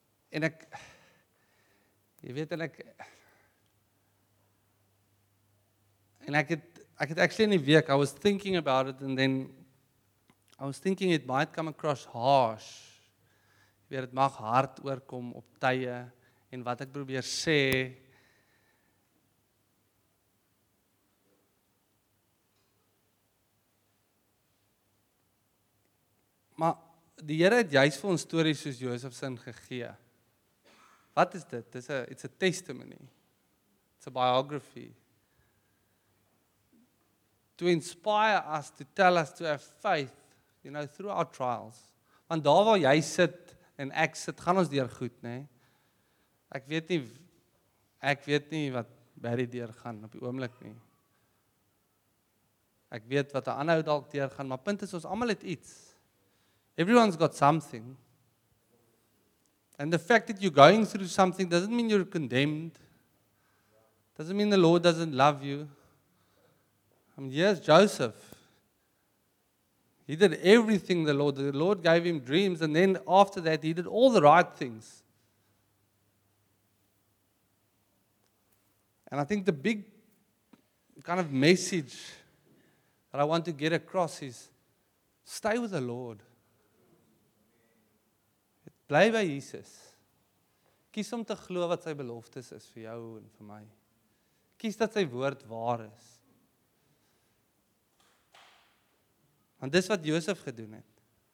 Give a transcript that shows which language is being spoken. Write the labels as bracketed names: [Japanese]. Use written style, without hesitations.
[Afrikaans] En ek, jy weet, en ek het actually in die week, [English] I was thinking about it, and then I was thinking it might come across harsh. [Afrikaans] Jy weet, het mag hard oorkom op tye, en wat ek probeer sê, maar die Here het juist vir ons stories soos Josef sin gegee. Wat is dit? [English] It's a testimony. It's a biography. To inspire us, to tell us to have faith, you know, through our trials. [Afrikaans] Want daar waar jy sit en ek sit, gaan ons deur goed, nê? Ek weet nie wat Barry deur gaan op die oomblik nie. Ek weet wat 'n ander ou dalk deur gaan, maar punt is ons almal het iets. [English] Everyone's got something. And the fact that you're going through something doesn't mean you're condemned. Doesn't mean the Lord doesn't love you. I mean, yes, Joseph. He did everything the Lord gave him dreams, and then after that, he did all the right things. And I think the big kind of message that I want to get across is stay with the Lord. [Afrikaans] Bly by Jesus. Kies om te glo wat sy beloftes is vir jou en vir my. Kies dat sy woord waar is. Want dis wat Josef gedoen het.